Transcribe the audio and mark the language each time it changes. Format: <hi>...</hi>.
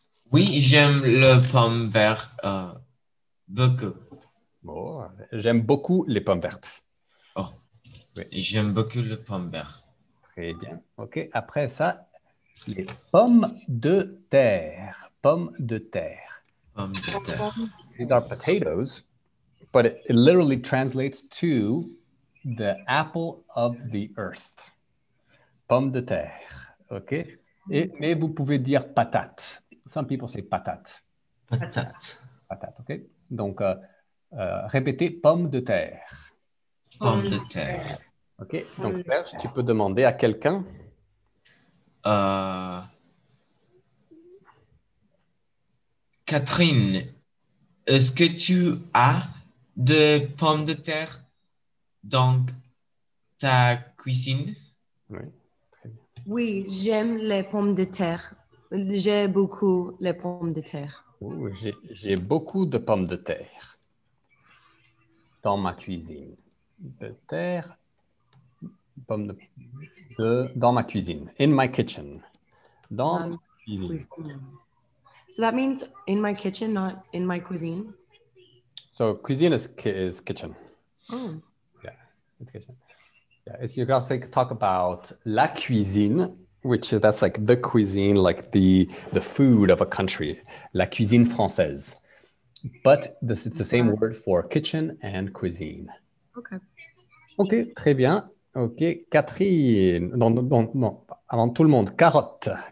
<fr>Oui, j'aime les pommes vertes beaucoup. Bon, j'aime beaucoup les pommes vertes. Oh, oui. J'aime beaucoup les pommes vertes. Très bien. OK, après ça, les pommes de terre. Pommes de terre. Pommes de terre.</fr> <en>These are potatoes, but it literally translates to the apple of the earth.</en> <fr>Pommes de terre. OK. Et, mais vous pouvez dire patate.</fr> <en>Some people say patate.</en> <fr>Patate. Patate, OK. Donc, répétez pomme de terre. Pomme de terre. OK. Donc, Serge, tu peux demander à quelqu'un. Catherine, est-ce que tu as des pommes de terre dans ta cuisine? Oui. Oui, j'aime les pommes de terre. J'ai beaucoup les pommes de terre. Ouh, j'ai beaucoup de pommes de terre dans ma cuisine. De terre, pommes de dans ma cuisine.</fr> <en>In my kitchen.</en> <fr>Dans ma cuisine.</fr> <en>So that means in my kitchen, not in my cuisine. So cuisine is kitchen. Oh. Yeah, it's kitchen. Yeah, you can also talk about la cuisine, which is, that's like the cuisine, like the food of a country,</en> <fr>la cuisine française.</fr> <en>But this, it's the same word for kitchen and cuisine. Okay.</en> <fr>Okay, très bien. Okay, Catherine. Non, avant tout le monde, carotte.</fr>